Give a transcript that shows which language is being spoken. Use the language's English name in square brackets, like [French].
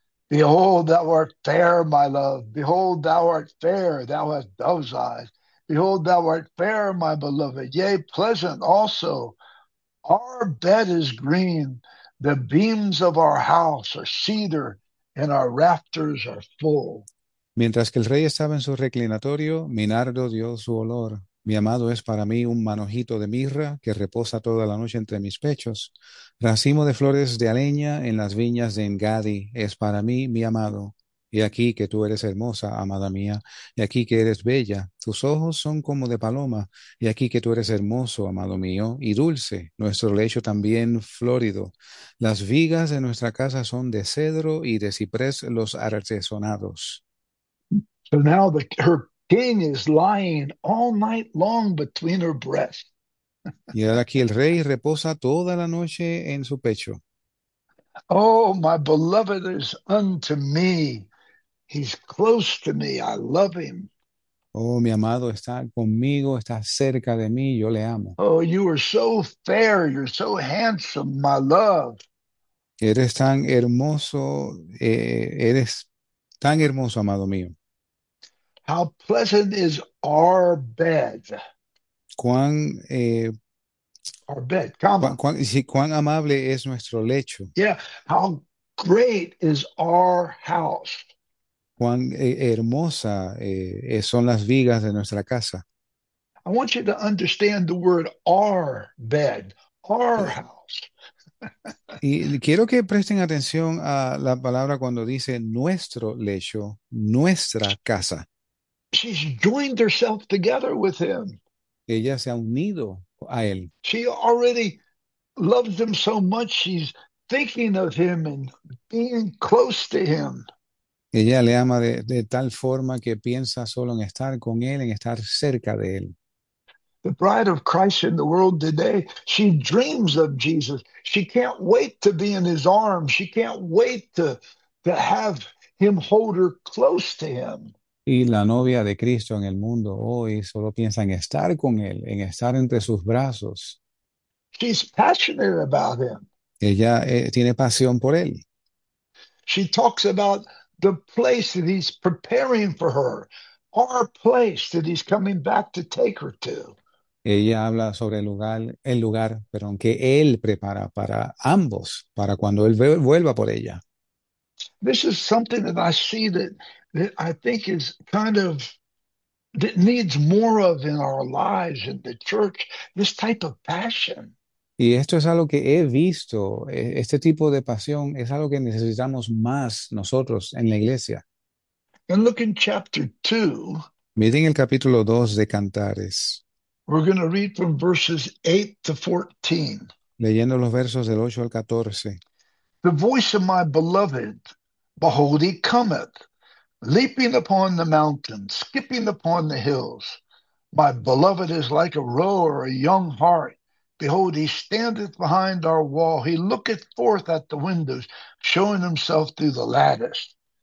[English] Behold, thou art fair, my love. Behold, thou art fair. Thou hast dove's eyes. Behold, thou art fair, my beloved. Yea, pleasant also. Our bed is green, the beams of our house are cedar, and our rafters are full. [Spanish] Mientras que el rey estaba en su reclinatorio, mi nardo dio su olor. Mi amado es para mí un manojito de mirra que reposa toda la noche entre mis pechos. Racimo de flores de aleña en las viñas de Engadi es para mí mi amado. Y aquí que tú eres hermosa, amada mía. Y aquí que eres bella. Tus ojos son como de paloma. Y aquí que tú eres hermoso, amado mío. Y dulce, nuestro lecho también florido. Las vigas de nuestra casa son de cedro y de ciprés los artesonados. [English] So now her king is lying all night long between her breasts. [Spanish] Y ahora aquí el rey reposa toda la noche en su pecho. [English] Oh, my beloved is unto me. He's close to me. I love him. [Spanish] Oh, mi amado está conmigo, está cerca de mí, yo le amo. [English] Oh, you are so fair. You're so handsome, my love. [Spanish] Eres tan hermoso, eres tan hermoso, amado mío. [English] How pleasant is our bed? [Spanish] Cuán, [English] Our bed, comma. [Spanish] cuán amable es nuestro lecho. [English] Yeah, how great is our house? [Spanish] Cuán hermosa son las vigas de nuestra casa. [English] I want you to understand the word our bed, our house. [Spanish] Y quiero que presten atención a la palabra cuando dice nuestro lecho, nuestra casa. [English] She's joined herself together with him. [Spanish] Ella se ha unido a él. [English] She already loves him so much, she's thinking of him and being close to him. [Spanish] Ella le ama de tal forma que piensa solo en estar con él, en estar cerca de él. [English] The bride of Christ in the world today, she dreams of Jesus. She can't wait to be in his arms. She can't wait to have him hold her close to him. [Spanish] Y la novia de Cristo en el mundo hoy solo piensa en estar con él, en estar entre sus brazos. [English] She's passionate about him. [Spanish] Ella tiene pasión por él. [English] She talks about the place that he's preparing for her, our place that he's coming back to take her to. [Spanish] Ella habla sobre el lugar, perdón, que él prepara para ambos, para cuando él vuelva por ella. [English] This is something that I see that I think is kind of that needs more of in our lives, in the church, this type of passion. [Spanish] Y esto es algo que he visto, este tipo de pasión es algo que necesitamos más nosotros en la iglesia. [English] And look in chapter 2. [Spanish] Miren el capítulo 2 de Cantares. [English] We're going to read from verses 8 to 14. [Spanish] Leyendo los versos del 8 al 14. [English] The voice of my beloved, behold, he cometh, leaping upon the mountains, skipping upon the hills. My beloved is like a roe or a young hart. Behold, he standeth behind our wall. He looketh forth at the windows, showing himself through the lattice.